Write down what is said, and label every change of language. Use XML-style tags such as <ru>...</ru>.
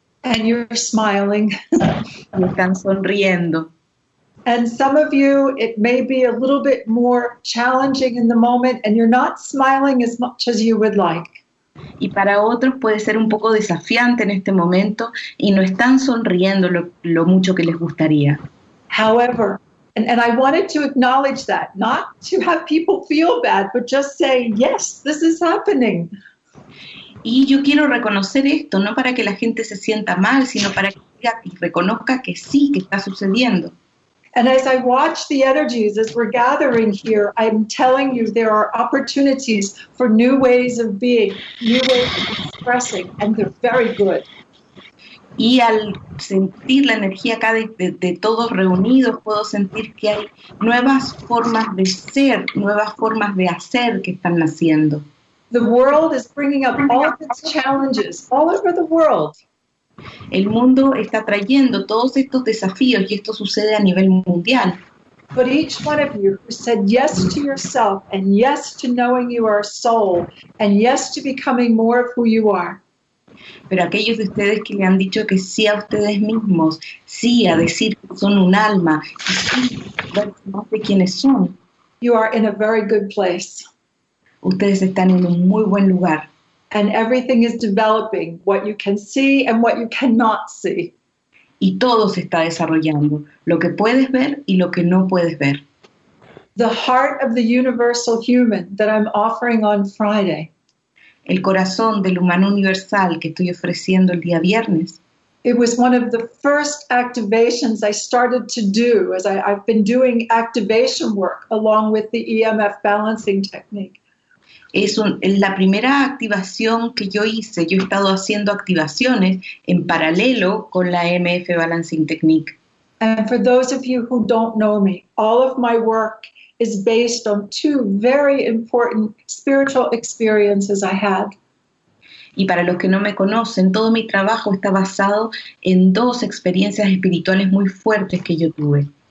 <en>And you're smiling.</en> <es>Y están sonriendo.</es> <en>And some of you, it may be a little bit more challenging in the moment, and you're not smiling as much as you would like.</en> <es>Y para otros puede ser un poco desafiante en este momento y no están sonriendo lo mucho que les gustaría.</es> <en>However, and I wanted to acknowledge that, not to have people feel bad, but just say, yes, this is happening.</en> <es>Y yo quiero reconocer esto, no para que la gente se sienta mal, sino para que reconozca que sí, que está sucediendo.</es> <en>And as I watch the energies as we're gathering here, I'm telling you there are opportunities for new ways of being, new ways of expressing, and they're very good.</en> <es>Y al sentir la energía acá de todos reunidos, puedo sentir que hay nuevas formas de ser, nuevas formas de hacer que están naciendo.</es> <en>The world is bringing up all of its challenges all over the world.</en> <es>El mundo está trayendo todos estos desafíos y esto sucede a nivel mundial.</es> <en>But each one of you who said yes to yourself and yes to knowing you are a soul and yes to becoming more of who you are.</en> <es>Pero aquellos de ustedes que le han dicho que sí a ustedes mismos, sí a decir que son un alma, y sí a más de quienes son.</es> <en>You are in a very good place.</en> <es>Ustedes están en un muy buen lugar.</es> <en>And everything is developing, what you can see and what you cannot see.</en> <es>Y todo se está desarrollando, lo que puedes ver y lo que no puedes ver.</es> <en>The heart of the universal human that I'm offering on Friday.</en> <es>El corazón del humano universal que estoy ofreciendo el día viernes.</es> <en>It was one of the first activations I started to do as I've been doing activation work along with the EMF balancing technique.</en> <es>Es la primera activación que yo hice. Yo he estado haciendo activaciones en paralelo con la EMF Balancing Technique.</es> <en>And for those of you who don't know me, all of my work is based on two very important spiritual experiences I had.</en> <es>Y para los que no me conocen, todo mi trabajo está basado en dos experiencias espirituales muy fuertes que yo tuve.</es>